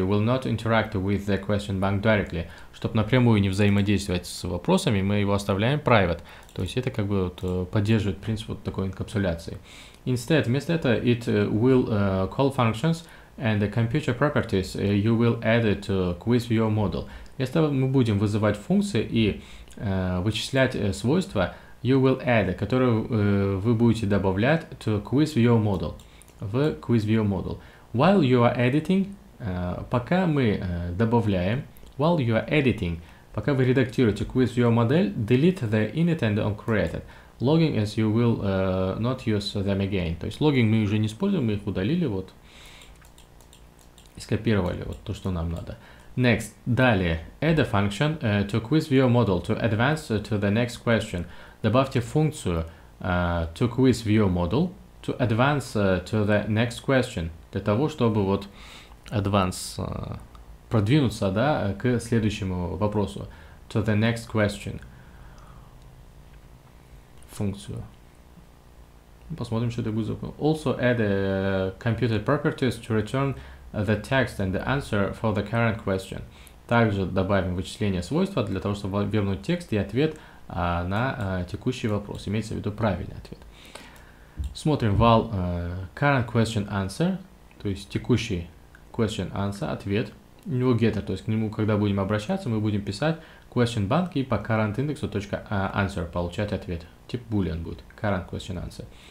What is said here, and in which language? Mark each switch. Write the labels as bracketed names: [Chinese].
[English] Will not interact with the question bank directly. [Russian] Чтобы напрямую не взаимодействовать с вопросами, мы его оставляем private. То есть это как бы вот, поддерживает принцип вот такой инкапсуляции. [English] Instead, [Russian] вместо этого, [English] it will call functions and the computer properties you will add to QuizViewModel. [Russian] Вместо того, мы будем вызывать функции и вычислять свойства, [English] you will add, [Russian] которую вы будете добавлять [English] to QuizViewModel, [Russian] в QuizViewModel. [English] While you are editing, [Russian] пока мы добавляем, [English] while you are editing, [Russian] пока вы редактируете [English] QuizViewModel, delete the init and onCreated. Logging as you will not use them again. [Russian] То есть логинг мы уже не используем, мы их удалили, вот, и скопировали вот то, что нам надо. [English] Next, [Russian] далее, [English] add a function to QuizViewModel to advance to the next question. [Russian] Добавьте функцию [English] to QuizViewModel to advance to the next question, [Russian] для того, чтобы вот [English] advance, [Russian] продвинуться, да, к следующему вопросу, [English] to the next question, функцию. [Russian] Посмотрим, что это будет. [English] Also add computed properties to return the text and the answer for the current question. [Russian] Также добавим вычисление свойства для того, чтобы вернуть текст и ответ на текущий вопрос, имеется в виду правильный ответ. Смотрим [English] while current question answer, [Russian] то есть текущий question answer, ответ, у него getter, то есть к нему, когда будем обращаться, мы будем писать question bank и по current index .answer получать ответ, тип boolean будет, current question answer.